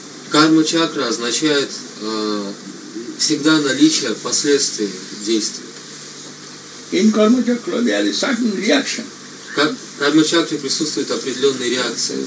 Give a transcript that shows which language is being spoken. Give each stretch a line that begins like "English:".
Russian: Карма чакра означает всегда наличие последствий действий.
English: In karma chakra there is certain reaction.
Russian: Карма чакре присутствует определенная реакция.